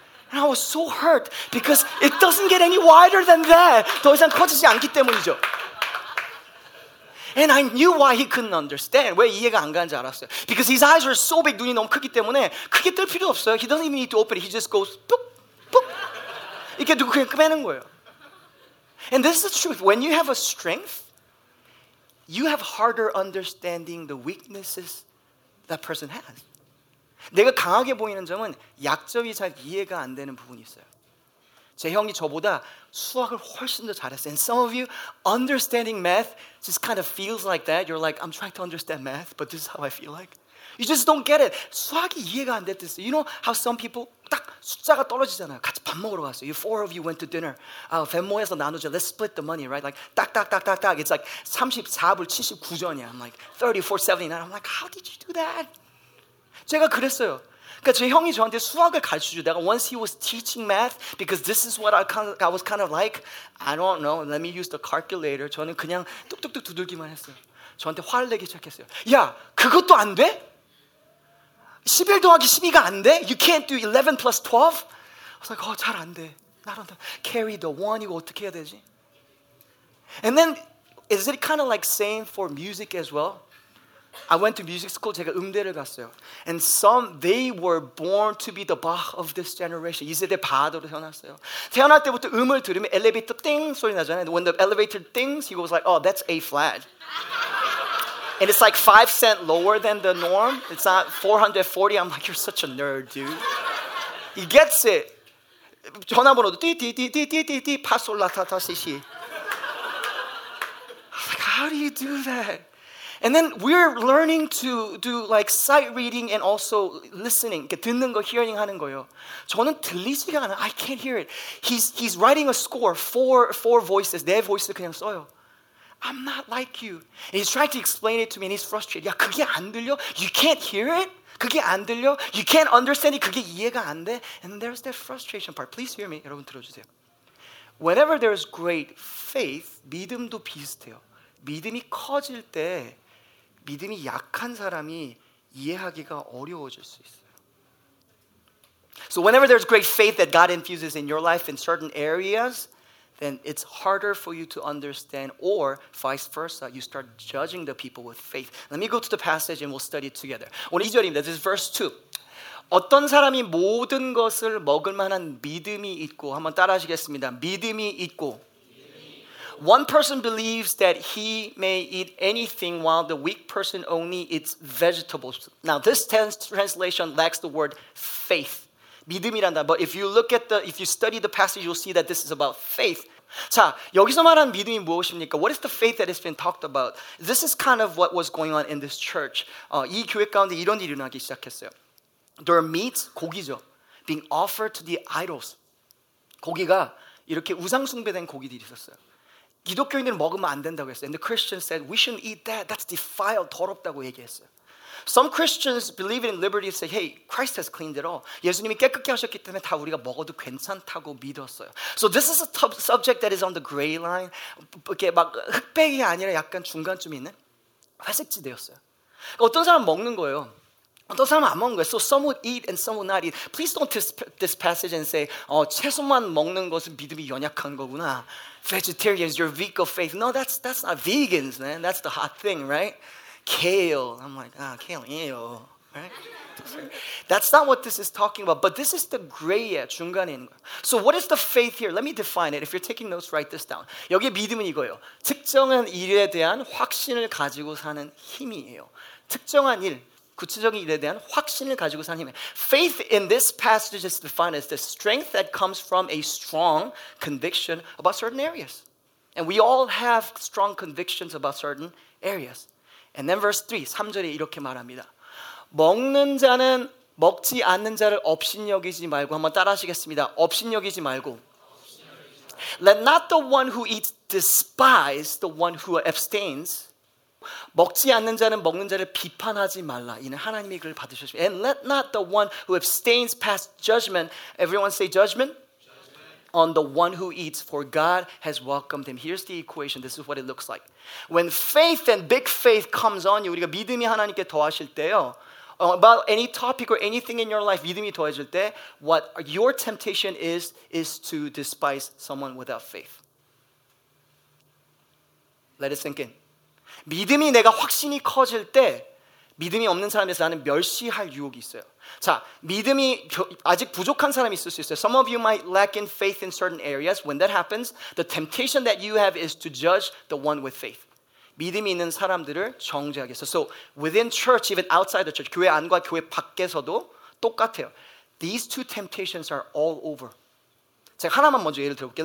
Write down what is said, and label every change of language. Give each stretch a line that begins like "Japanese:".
English: And I was so hurt because it doesn't get any wider than that.
Korean: 더 이상 커지지 않기 때문이죠.
English: And I knew why he couldn't understand.
Korean: 왜 이해가 안 가는지 알았어요.
English: Because his eyes were so big,
Korean: 눈이 너무 크기 때문에 크게 뜰 필요 없어요.
English: He doesn't even need to open it. He just goes, boop, boop.
Korean: 이렇게 두고 그냥 빼는 거예요.
English: And this is the truth. When you have a strength, you have harder understanding the weaknesses that person has.
Korean: 내가 강하게 보이는 점은 약점이 잘 이해가 안 되는 부분이 있어요. 제 형이 저보다 수학을 훨씬 더 잘했어요.
English: And some of you, understanding math just kind of feels like that. You're like, I'm trying to understand math, but this is how I feel like. You just don't get it.
Korean: 수학이 이해가 안 됐어요.
English: You know how some people,
Korean: 딱 숫자가 떨어지잖아요. 같이 밥 먹으러 갔어요.
English: You four of you went to dinner.
Korean: 아, 벤모에서 나누죠.
English: Let's split the money, right? Like, 딱딱딱딱딱. It's like
Korean: 34불 79전이야.
English: I'm like, 34.79. I'm like, how did you do that?
Korean: 제가 그랬어요. 그러니까 제 형이 저한테 수학을 가르쳐줘. 내가
English: once he was teaching math, because this is what I was kind of like, I don't know, let me use the calculator.
Korean: 저는 그냥 뚝뚝뚝 두들기만 했어요. 저한테 화를 내기 시작했어요. 야, 그것도 안 돼? 11 더하기 12가 안 돼?
English: You can't do 11 plus 12? I was like, oh,
Korean: 잘 안 돼.
English: Not on the carry the one,
Korean: 이거 어떻게 해야 되지?
English: And then, is it kind of like same for music as well? I went to music school,
Korean: 제가 음대를 갔어요.
English: And some, they were born to be the Bach of this generation.
Korean: 이 세대 바하도로 태어났어요. 태어날 때부터 음을 들으면 엘리베이터 띵 소리 나잖아요.
English: When the elevator dings, he was like, oh, that's A flat. And it's like 5 cent lower than the norm. It's not 440. I'm like, you're such a nerd, dude. He gets it.
Korean: 전화번호도 띠띠띠띠띠띠 파솔라타타시시.
English: I'm like, how do you do that? And then we're learning to do like sight reading and also listening.
Korean: 듣는 거, hearing 하는 거요. 저는 들리지가 않아.
English: I can't hear it. He's writing a score, four voices.
Korean: 네
English: voices 그냥 써요. I'm not like you. And he's trying to explain it to me and he's frustrated.
Korean: 야, 그게 안 들려?
English: You can't hear it?
Korean: 그게 안 들려?
English: You can't understand it?
Korean: 그게 이해가 안 돼?
English: And there's that frustration part. Please hear me.
Korean: 여러분 들어주세요.
English: Whenever there's great faith,
Korean: 믿음도 비슷해요. 믿음이 커질 때 믿음이 약한 사람이 이해하기가 어려워질 수 있어요.
English: So whenever there's great faith that God infuses in your life in certain areas, then it's harder for you to understand or vice versa. You start judging the people with faith. Let me go to the passage and we'll study it together.
Korean: 오늘 2절입니다.
English: This is verse 2.
Korean: 어떤 사람이 모든 것을 먹을 만한 믿음이 있고 한번 따라하시겠습니다. 믿음이 있고
English: One person believes that he may eat anything while the weak person only eats vegetables. Now, this translation lacks the word faith.
Korean: 믿음이란다.
English: But if you look at the, if you study the passage, you'll see that this is about faith.
Korean: 자, 여기서 말하는 믿음이 무엇입니까?
English: What is the faith that has been talked about? This is kind of what was going on in this church.
Korean: 이 교회 가운데 이런 일이 일어나기 시작했어요.
English: There are meats,
Korean: 고기죠.
English: Being offered to the idols.
Korean: 고기가 이렇게 우상숭배된 고기들이 있었어요. 기독교인들은 먹으면 안 된다고 했어요.
English: And the Christians said, we shouldn't eat that. That's defiled,
Korean: 더럽다고 얘기했어요.
English: Some Christians believe in liberty and say, hey, Christ has cleaned it all.
Korean: 예수님이 깨끗게 하셨기 때문에 다 우리가 먹어도 괜찮다고 믿었어요.
English: So this is a tough subject that is on the gray line.
Korean: 이렇게 막 흑백이 아니라 약간 중간쯤 있는 회색지대였어요. 그러니까 어떤 사람 먹는 거예요. 어떤 사람은 안 먹는 거예요.
English: So some would eat and some would not eat. Please don't this passage and say,
Korean: 채소만 먹는 것은 믿음이 연약한 거구나.
English: Vegetarians, you're weak of faith. No, that's not vegans, man. That's the hot thing, right? Kale. I'm like, ah, kale, ew. Right? That's not what this is talking about. But this is the gray,
Korean: 중간인 거.
English: So what is the faith here? Let me define it. If you're taking notes, write this down.
Korean: 여기 믿음은 이거예요. 특정한 일에 대한 확신을 가지고 사는 힘이에요. 특정한 일. 구체적인 일에 대한 확신을 가지고 사는 힘이에요.
English: Faith in this passage is defined as the strength that comes from a strong conviction about certain areas. And we all have strong convictions about certain areas. And then verse 3,
Korean: 3절에 이렇게 말합니다. 먹는 자는 먹지 않는 자를 업신여기지 말고 한번 따라하시겠습니다. 업신여기지 말고
English: Let not the one who eats despise the one who abstains
Korean: 먹지 않는 자는 먹는 자를 비판하지 말라 이는 하나님이 그를 받으셨습니다
English: And let not the one who abstains pass judgment Everyone say judgment? On the one who eats For God has welcomed him Here's the equation This is what it looks like When faith and big faith comes on you
Korean: 우리가 믿음이 하나님께 더하실 때요
English: About any topic or anything in your life
Korean: 믿음이 더해질 때
English: What your temptation is to despise someone without faith Let it sink in
Korean: 믿음이 내가 확신이 커질 때 믿음이 없는 사람에 대해서 나는 멸시할 유혹이 있어요. 자, 믿음이 아직 부족한 사람이 있을 수 있어요.
English: Some of you might lack in faith in certain areas. When that happens, the temptation that you have is to judge the one with faith.
Korean: 믿음이 있는 사람들을 정죄하게 해서.
English: So within church, even outside the church,
Korean: 교회 안과 교회 밖에서도 똑같아요.
English: These two temptations are all over.
Korean: 제가 하나만 먼저 예를 들어볼게요.